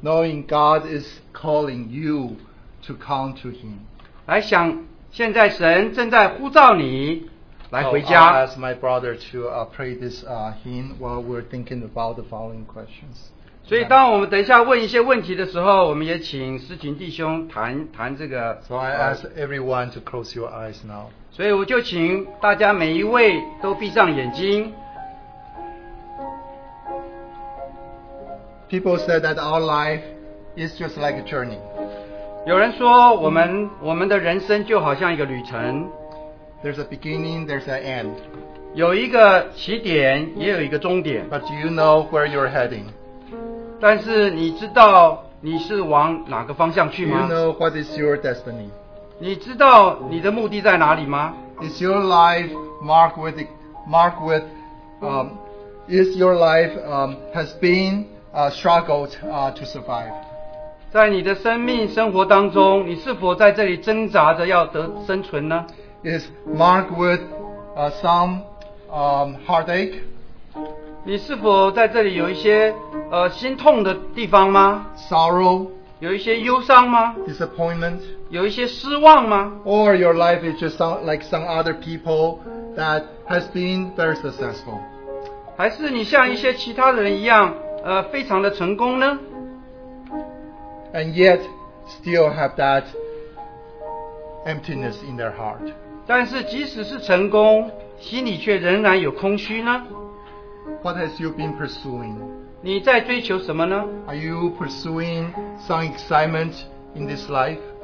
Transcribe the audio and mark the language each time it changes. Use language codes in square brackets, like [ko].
[en] Knowing God is calling you to come to Him. [zh] 来想现在神正在呼召你。 [en] So I'll ask my brother to pray this hymn while we're thinking about the following questions. [zh] 所以当我们等一下问一些问题的时候，我们也请诗琴弟兄谈这个。 [en] So I ask everyone to close your eyes now. [zh] 所以我就请大家每一位都闭上眼睛。 [en] People say that our life is just like a journey. [zh] 有人说我们的人生就好像一个旅程。 [en] There's a beginning, there's an end. [zh] 有一个起点，也有一个终点。 [en] But do you know where you're heading? [zh] 但是你知道你是往哪个方向去吗？ [en] Do you know what is your destiny? [zh] 你知道你的目的在哪里吗？ [en] Is your life has been struggled to survive? [zh] 在你的生命生活当中，你是否在这里挣扎着要得生存呢？ [en] Is marked with some heartache. [zh] 你是否在这里有一些心痛的地方吗？ [en] Sorrow. [zh] 有一些忧伤吗？ [en] Disappointment. [zh] 有一些失望吗？ [en] Or your life is just like some other people that has been very successful. [zh] 还是你像一些其他人一样，非常的成功呢？ [en] And yet still have that emptiness in their heart. [zh] 但是即使是成功，心里却仍然有空虚呢？ [en] What has you been pursuing? [zh] 你在追求什么呢？ [en] Are you pursuing some excitement in this life?